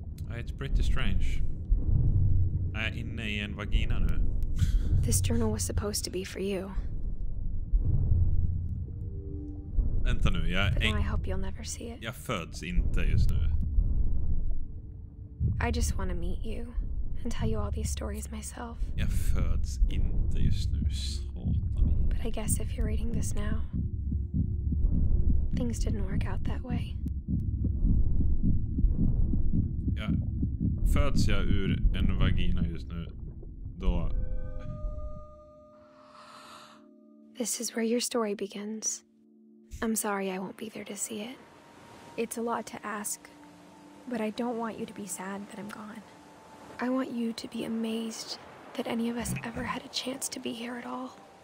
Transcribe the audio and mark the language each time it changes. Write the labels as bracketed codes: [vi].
[en] It's pretty strange. I'm [sv] inne I en vagina nu. [en] This journal was supposed to be for you. [sv] Vänta nu, jag... [en] But now I hope you'll never see it. [sv] Jag föds inte just nu. [en] I just want to meet you and tell you all these stories myself. [sv] Jag föds inte just nu, satan. [en] But I guess if you're reading this now, things didn't work out that way. [sv] Ja, föds jag ur en vagina just nu, då... [en] This is where your story begins. I'm sorry I won't be there to see it. It's a lot to ask, but I don't want you to be sad that I'm gone. I want you to be amazed that any of us ever had a chance to be here at all.